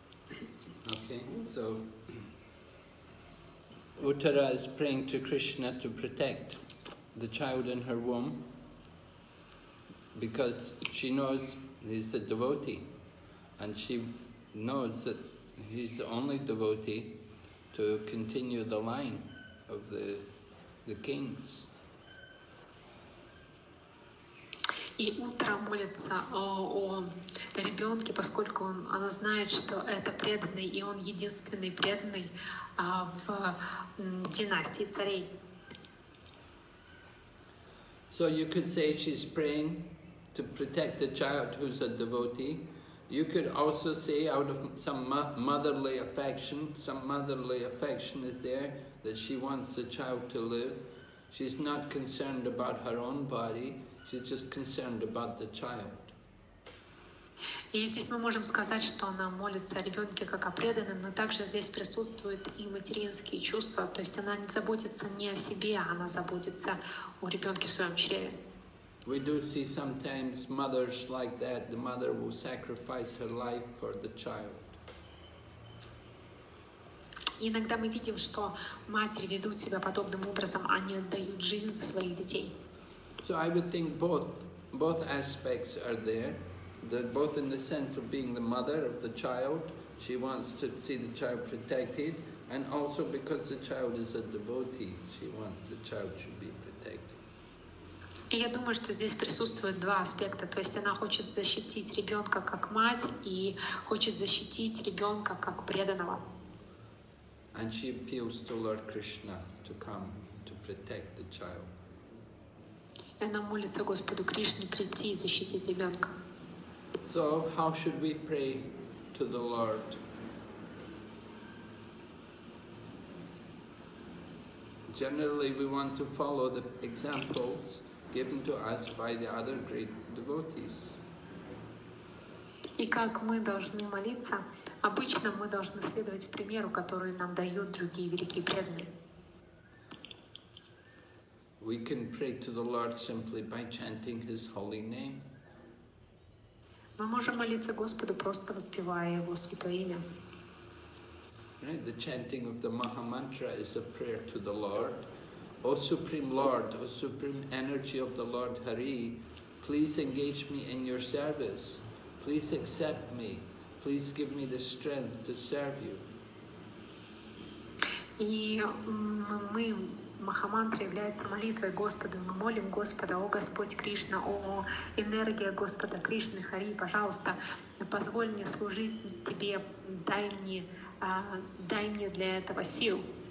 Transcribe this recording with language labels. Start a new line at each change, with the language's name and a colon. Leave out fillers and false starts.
English: Okay, so Uttara is praying to Krishna to protect the child in her womb because she knows he's a devotee and she knows that he's the only devotee to continue the line of the kings.
Russian: И утро молится о ребенке, поскольку она знает, что это преданный, и он единственный преданный в династии царей.
English: So you could say she's praying to protect the child who's a devotee. You could also say out of some motherly affection is there, that she wants the child to live. She's not concerned about her own body. She's just concerned about the child.
Russian: И здесь мы можем сказать, что она молится о ребенке как о преданном, но также здесь присутствуют и материнские чувства, то есть она не заботится не о себе, а она заботится о ребенке в своем чреве.
English: We do see sometimes mothers like that, the mother will sacrifice her life for the child.
Russian: Иногда мы видим, что матери ведут себя подобным образом, они отдают жизнь за своих детей.
English: So I would think both aspects are there, that both in the sense of being the mother of the child, she wants to see the child protected, and also because the child is a devotee, she wants the child to be protected.
Russian: И я думаю, что здесь присутствуют два аспекта, то есть она хочет защитить ребенка как мать и хочет защитить ребенка как преданного.
English: And she appeals to Lord Krishna to come to protect the child.
Russian: И она молится Господу Кришне прийти и защитить ребенка.
English: So how should we pray to the Lord? Generally, we want to follow the examples given to us by the other great devotees.
Russian: И как мы должны молиться? Обычно мы должны следовать примеру, который нам дают другие великие преданные.
English: We can pray to the Lord simply by chanting His holy name.
Russian: Мы можем молиться Господу, просто воспевая Его святое имя.
English: Right, the chanting of the Maha Mantra is a prayer to the Lord. O Supreme Lord, O Supreme Energy of the Lord Hari, please engage me in your service. Please accept me. Please give me the strength to serve you.
Russian: И мы, Маха Мантра является молитвой Господу. Мы молим Господа, о Господь Кришна, о энергия Господа Кришны, Хари, пожалуйста, позволь мне служить Тебе, дай мне для этого сил.